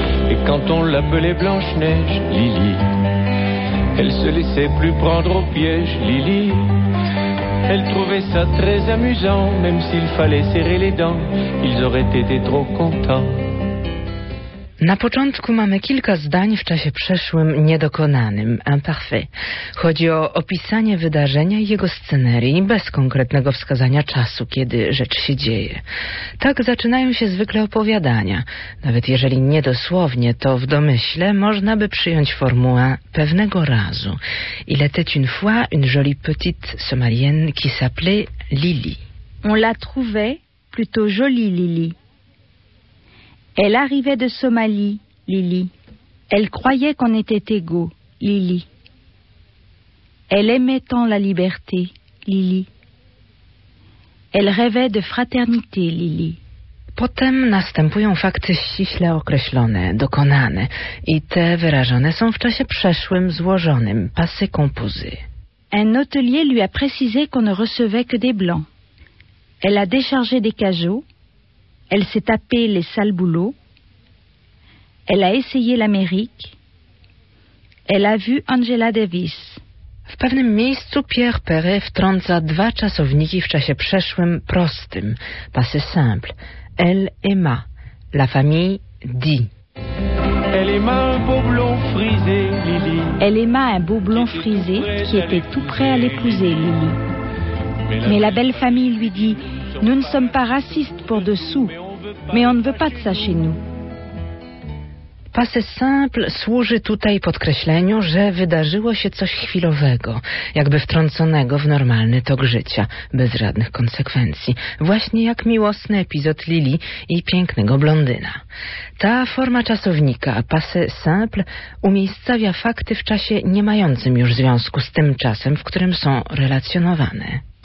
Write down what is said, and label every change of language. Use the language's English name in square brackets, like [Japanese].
[French] Et quand on l'appelait Blanche-Neige, Lili, elle se laissait plus prendre au piège, Lili. Elle trouvait ça très amusant, même s'il fallait serrer les dents, ils auraient été trop contents. [Polish] Na początku mamy kilka zdań w czasie przeszłym niedokonanym, imparfait. Chodzi o opisanie wydarzenia i jego scenerii bez konkretnego wskazania czasu, kiedy rzecz się dzieje. Tak zaczynają się zwykle opowiadania. Nawet jeżeli niedosłownie, to w domyśle można by przyjąć formułę pewnego razu. [French] Il était une fois une jolie petite somalienne qui s'appelait Lili. On la trouvait plutôt jolie, Lili. Elle arrivait de Somalie, Lili. Elle croyait qu'on était égaux, Lili. Elle aimait tant la liberté, Lili. Elle rêvait de fraternité, Lili. [Polish] Potem następują fakty ściśle określone, dokonane. I te wyrażone są w czasie przeszłym, złożonym, passé composé. [French] Un hôtelier lui a précisé qu'on ne recevait que des blancs. Elle a déchargé des cajots. Elle s'est tapé les sales boulots. Elle a essayé l'Amérique. Elle a vu Angela Davis. [Polish] W pewnym miejscu Pierre Perret wtrąca dwa czasowniki w czasie przeszłym prostym, passé simple. [French] Elle aima. La famille dit. Elle aima un beau blond frisé, Lili. Elle aima un beau blond frisé qui était tout prêt à l'épouser, Lili. Mais la belle famille lui dit: nous ne sommes pas racistes pour deux sous, mais on ne veut pas de ça chez nous. [Polish] Passé simple służy tutaj podkreśleniu, że wydarzyło się coś chwilowego, jakby wtrąconego w normalny tok życia, bez żadnych konsekwencji. Właśnie jak miłosny epizod Lili i pięknego blondyna. Ta forma czasownika, passé simple, umiejscawia fakty w czasie nie mającym już związku z tym czasem, w którym są relacjonowane.